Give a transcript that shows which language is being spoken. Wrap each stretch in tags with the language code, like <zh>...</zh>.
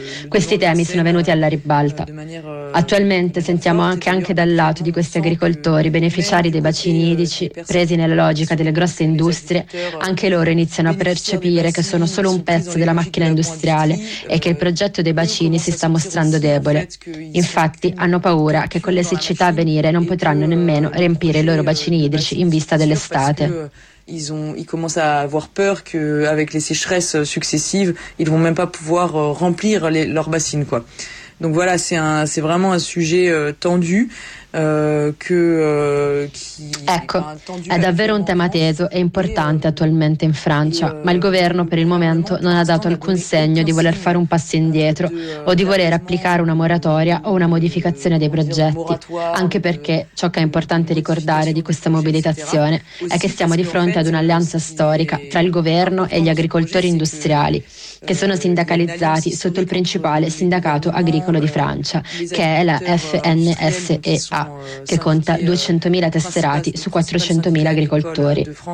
<it>Questi temi sono venuti alla ribalta. Attualmente sentiamo anche dal lato di questi agricoltori, beneficiari dei bacini idrici, presi nella logica delle grosse industrie, anche loro iniziano a percepire che sono solo un pezzo della macchina industriale e che il progetto dei bacini si sta mostrando debole. Infatti, hanno paura che con le siccità a venire non potranno nemmeno riempire loro bacini idrici in vista dell'estate.</it> <fr>Ils commencent à avoir peur que avec les sécheresses successives, ils vont même pas pouvoir remplir leurs bacines quoi. Donc voilà, c'est vraiment un sujet tendu.</fr> <it>Ecco, è davvero un tema teso e importante attualmente in Francia, ma il governo per il momento non ha dato alcun segno di voler fare un passo indietro o di voler applicare una moratoria o una modificazione dei progetti, anche perché ciò che è importante ricordare di questa mobilitazione è che stiamo di fronte ad un'alleanza storica tra il governo e gli agricoltori industriali, che sono sindacalizzati sotto il principale sindacato agricolo di Francia, che è la FNSE, che conta 200.000 tesserati su 400.000 agricoltori.</it>